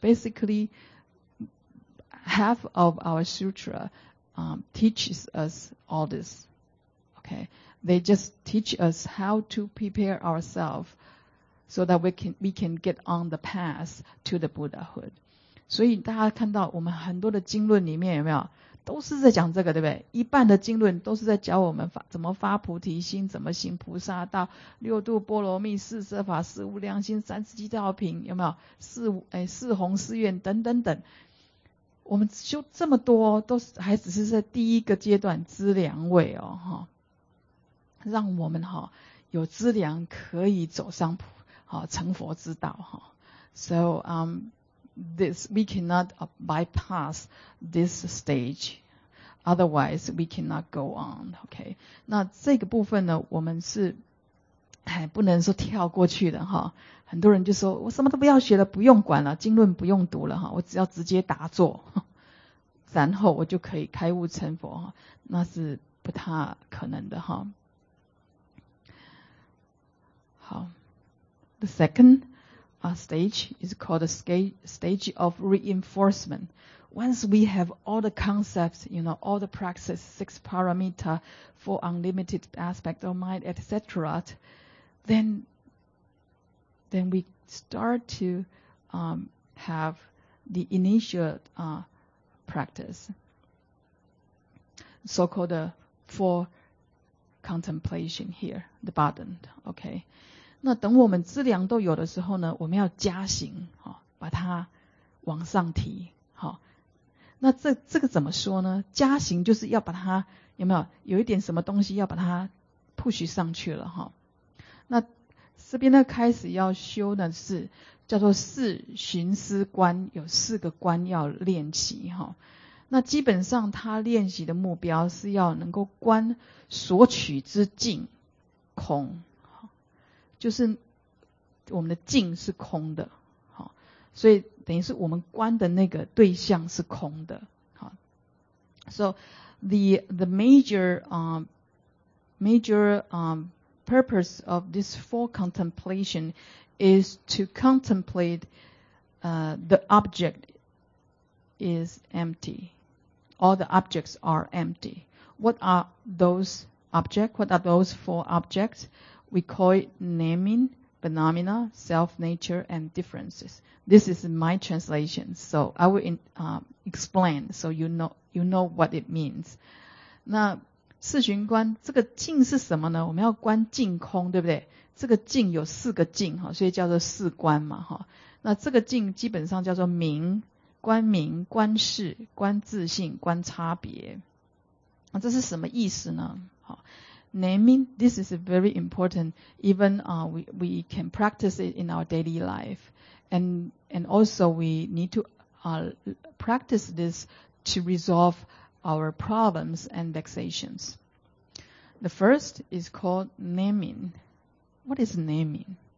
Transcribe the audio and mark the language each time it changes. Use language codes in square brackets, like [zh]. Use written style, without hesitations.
[en] Basically,half of our sutra teaches us all this. Okay, they just teach us how to prepare ourselves so that we can get on the path to the Buddhahood. [zh] 所以大家看到我们很多的经论里面有没有都是在讲这个，对不对？一半的经论都是在教我们怎么发菩提心，怎么行菩萨道，六度波罗蜜、四摄法、四无量心、三十七道品，有没有四弘誓愿等等等。我们修这么多都还只是在第一个阶段资粮位哦，让我们有资粮可以走上成佛之道。 [en] So this we cannot bypass this stage, otherwise we cannot go on. Okay, [zh] 那这个部分呢，我们是不能说跳过去的哈。很多人就说我什么都不要学了，不用管了，经论不用读了哈，我只要直接打坐，然后我就可以开悟成佛，那是不太可能的哈。好 [en] ，the second stage is called the stage of reinforcement. Once we have all the concepts, you know, all the practices, six parameter, four unlimited aspect of mind, etc. Then we start to have the initial practice, so-called four contemplation here, the button. [zh] Okay, 那等我们资粮都有的时候呢，我们要加行，把它往上提。那这个怎么说呢？加行就是要把它有没有有一点什么东西要把它 [en] push [zh] 上去了哈。那这边呢，开始要修的是叫做四寻思观，有四个观要练习哈。那基本上他练习的目标是要能够观所取之境空，就是我们的境是空的，所以等于是我们观的那个对象是空的。 [en] So the major purpose of this four contemplation is to contemplate the object is empty. All the objects are empty. What are those objects? What are those four objects? We call it naming, phenomena, self-nature, and differences. This is my translation, so I will explain so you know what it means. [zh] 那四寻观这个境是什么呢？我们要观境空，对不对？这个境有四个境，所以叫做四观嘛。那这个境基本上叫做明，观明、观事、观自性、观差别。这是什么意思呢？ [en] naming, this is very important. Even we can practice it in our daily life. And also we need to practice this to resolve our problems and vexations. The first is called naming. What is naming?